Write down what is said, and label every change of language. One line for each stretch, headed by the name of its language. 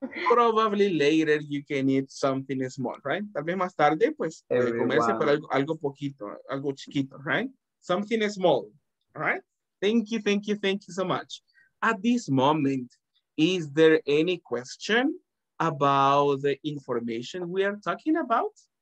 English: Probably later you can eat something small, right?
Spanish: Tal vez más tarde, pues, comerse por algo poquito, algo chiquito, right?
English: Something small, right? Thank you so much. At this moment, is there any question about the information we are talking about?